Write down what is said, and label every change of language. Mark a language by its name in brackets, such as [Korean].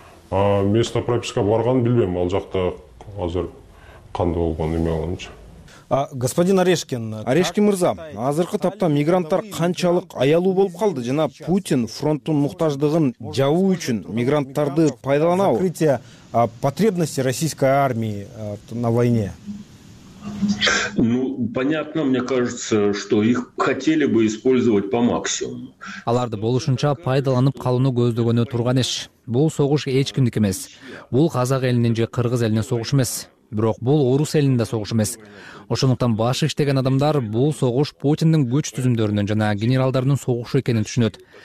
[Kyrgyz] А место пропискага барганын билбейм, ал жакта азыр кандай болгон эме болгончу. А господин Орешкин, Орешкин мырза, азыркы тапта мигранттар канчалык аялуу болуп калды жана Путин фронттун муктаждыгын жабуу үчүн мигранттарды пайдаланабы? [Russian] Закрытие потребности российской армии на войне. Ну, понятно, мне кажется, что их хотели бы использовать по максимуму. [Kyrgyz] Аларды болушунча пайдаланып калууну көздөгөнү турган иш. Бул согуш эч кимдик эмес. Бул казак элинин же кыргыз элинин согушу эмес. Бирок бул орус элинин да согушу эмес. Ошондуктан башы иштеген адамдар бул согуш Путиндин күч түзүмдөрүнүн жана генералдарынын согушу экенин түшүнөт.